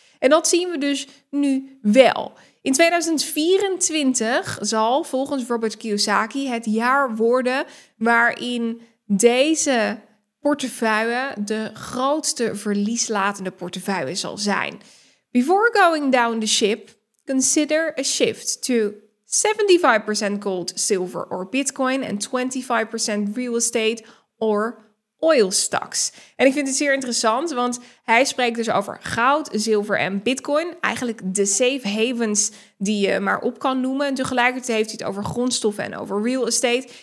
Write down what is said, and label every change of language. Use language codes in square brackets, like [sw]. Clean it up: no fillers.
[nl] En dat zien we dus nu wel. In 2024 zal volgens Robert Kiyosaki het jaar worden waarin deze portefeuille de grootste verlieslatende portefeuille zal zijn. [en] Before going down the ship, consider a shift to 75% gold, silver or bitcoin and 25% real estate or oil stocks. [nl] En ik vind het zeer interessant, want hij spreekt dus over goud, zilver en bitcoin. Eigenlijk de safe havens die je maar op kan noemen. En tegelijkertijd heeft hij het over grondstoffen en over real estate.